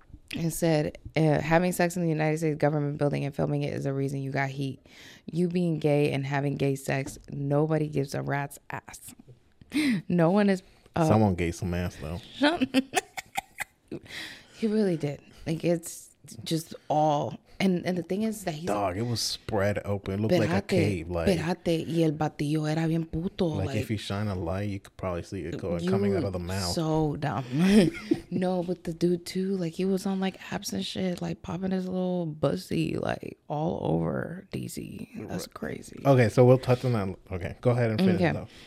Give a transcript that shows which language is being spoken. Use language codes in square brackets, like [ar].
[en] It said, having sex in the United States government building and filming it is the reason you got heat. You being gay and having gay sex, nobody gives a rat's ass. No one is. Someone gave some ass, though. He really did. Like, it's just all And the thing is that he's... Dog, it was spread open. It looked like a cave. Like, [es] espérate, y el batillo era bien puto. [en] Like, if you shine a light, you could probably see it coming out of the mouth. So dumb. No, but the dude, too, like, he was on, like, apps and shit, like, popping his little bussy, like, all over DC. That's crazy. Okay, so we'll touch on that. Okay, go ahead and finish, though.